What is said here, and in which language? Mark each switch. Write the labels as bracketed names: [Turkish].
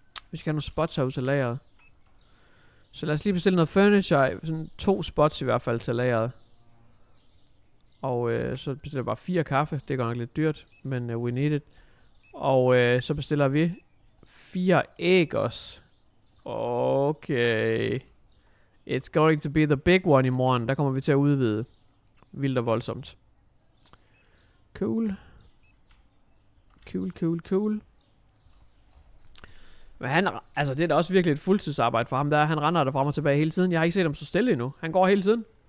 [Danish] Vi skal have nogle spots herude til lageret. Så lad os lige bestille noget furniture. Sådan 2 spots i hvert fald til lageret. Og så bestiller vi bare 4 kaffe. Det går nok lidt dyrt, men [English] we need it. [Danish] Og så bestiller vi 4 æg også. Okay. [English] It's going to be the big one [Danish] i morgen. Der kommer vi til at udvide. Vildt og voldsomt. Cool. Cool, cool, cool. Men han, altså det er da også virkelig et fuldtidsarbejde for ham der. Han render der frem og tilbage hele tiden. Jeg har ikke set ham så stille endnu. Han går hele tiden.